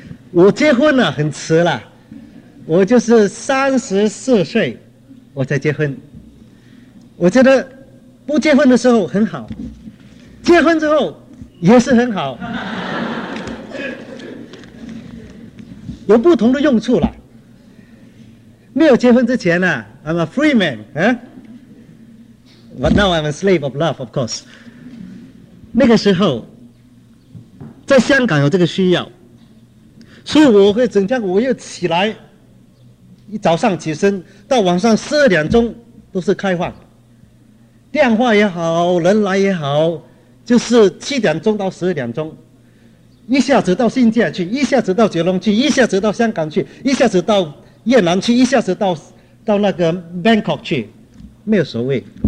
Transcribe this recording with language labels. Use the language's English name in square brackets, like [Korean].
[Chinese] 我结婚了很迟了，我就是34岁我才结婚。我觉得不结婚的时候很好，结婚之后也是很好，有不同的用处了。没有结婚之前呢、 [English] 啊、I'm a free man、啊，But now I'm a slave of love, of course. [Chinese] 那个时候在香港有这个需要，所以我会整天，我又起来一早上起身到晚上12点都是开放，电话也好人来也好，就是7点到12点，一下子到新界去，一下子到九龙去，一下子到香港去，一下子到越南去，一下子到那个 Bangkok 去，没有所谓，